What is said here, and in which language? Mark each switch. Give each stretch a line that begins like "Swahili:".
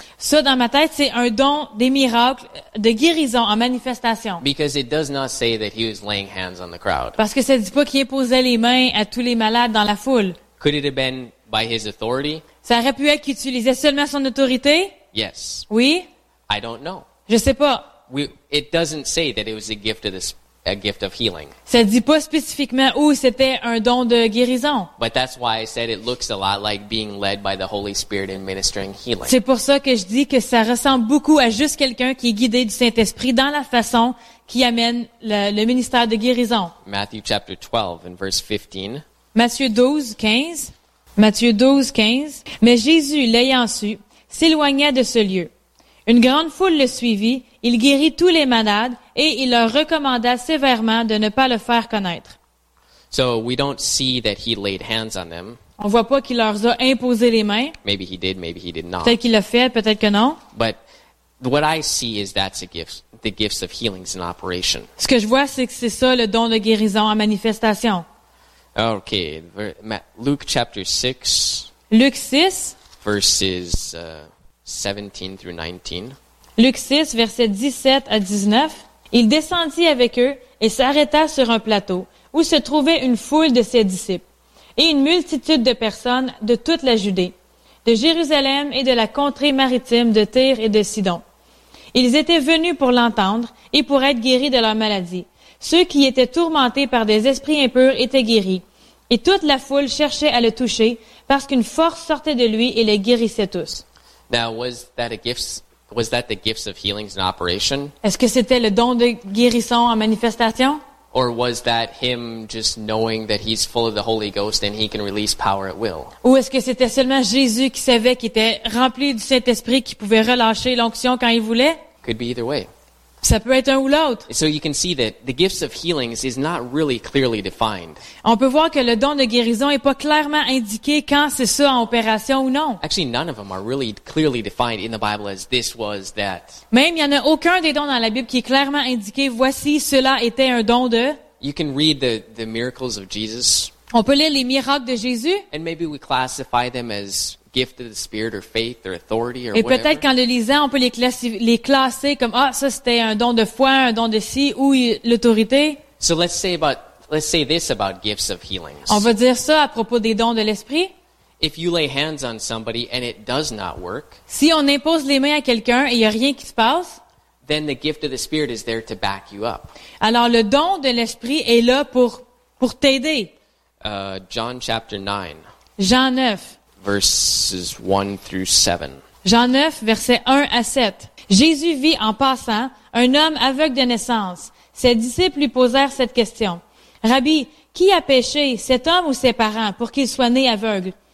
French: Ça, dans ma tête, c'est un don des miracles, de guérison en manifestation.
English: Because it does not say that he was laying hands on the crowd.
French: Parce que ça ne dit pas qu'il imposait les mains à tous les malades dans la foule.
English: Could it have been by his authority?
French: Ça aurait pu être qu'il utilisait seulement son autorité?
English: Yes.
French: Oui?
English: I don't know.
French: Je sais pas.
English: It doesn't say that it was a gift of healing.
French: Ça dit pas spécifiquement où c'était un don de guérison.
English: But that's why I said it looks a lot like being led by the Holy Spirit in ministering healing.
French: C'est pour ça que je dis que ça ressemble beaucoup à juste quelqu'un qui est guidé du Saint-Esprit dans la façon qui amène le ministère de guérison.
English: Matthew chapter 12 and verse 15.
French: Matthieu 12, 15. Mais Jésus, l'ayant su, s'éloigna de ce lieu. Une grande foule le suivit, il guérit tous les malades et il leur recommanda sévèrement de ne pas le faire connaître.
English: So we don't see that he laid hands on them.
French: On ne voit pas qu'il leur a imposé les mains.
English: Maybe he did, maybe he did not.
French: Peut-être qu'il l'a fait, peut-être que non.
English: But what I see is that's a gift, the gifts of healings in operation.
French: Ce que je vois, c'est que c'est ça le don de guérison en manifestation.
English: Okay, Luke chapter 6. Luke 6. Verses 17 through 19.
French: Luke 6, versets 17 à 19. Il descendit avec eux et s'arrêta sur un plateau où se trouvait une foule de ses disciples et une multitude de personnes de toute la Judée, de Jérusalem et de la contrée maritime de Tyr et de Sidon. Ils étaient venus pour l'entendre et pour être guéris de leur maladie. Ceux qui étaient tourmentés par des esprits impurs étaient guéris, et toute la foule cherchait à le toucher, parce qu'une force sortait de lui et les guérissait tous.
English: Now, was that a gift, Was that the gifts of healings in operation?
French: Est-ce que c'était le don de guérison en manifestation?
English: Or was that him just knowing that he's full of the Holy Ghost and he can release power at will?
French: Ou est-ce que c'était seulement Jésus qui savait qu'il était rempli du Saint-Esprit qui pouvait relâcher l'onction quand il voulait?
English: Could be either way.
French: Ça peut être un ou l'autre.
English: So you can see that the gifts of healings is not really clearly defined.
French: On peut voir que le don de guérison est pas clairement indiqué quand c'est ça en opération ou non.
English: Actually, none of them are really clearly defined in the Bible as this was that.
French: Même il y en a aucun des dons dans la Bible qui est clairement indiqué. Voici, cela était un don de.
English: You can read the miracles of Jesus.
French: On peut lire les miracles de Jésus.
English: And maybe we classify them as gift of the Spirit or faith or authority or
French: et
English: whatever.
French: Et peut-être qu'en le lisant, on peut les classer comme ah, ça c'était un don de foi, un don de ci ou l'autorité.
English: So let's say this about gifts of healings.
French: On va dire ça à propos des dons de l'esprit.
English: If you lay hands on somebody and it does not work.
French: Si on impose les mains à quelqu'un et il y a rien qui se passe.
English: Then the gift of the Spirit is there to back you up.
French: Alors le don de l'esprit est là pour t'aider.
English: John chapter 9.
French: Jean 9.
English: Verses 1 through 7.
French: Jean 9, versets 1 à 7. Jésus vit en passant un homme aveugle de naissance. Ses disciples lui posèrent cette question. Rabbi, qui a péché, cet homme ou ses parents, pour qu'il soit né aveugle?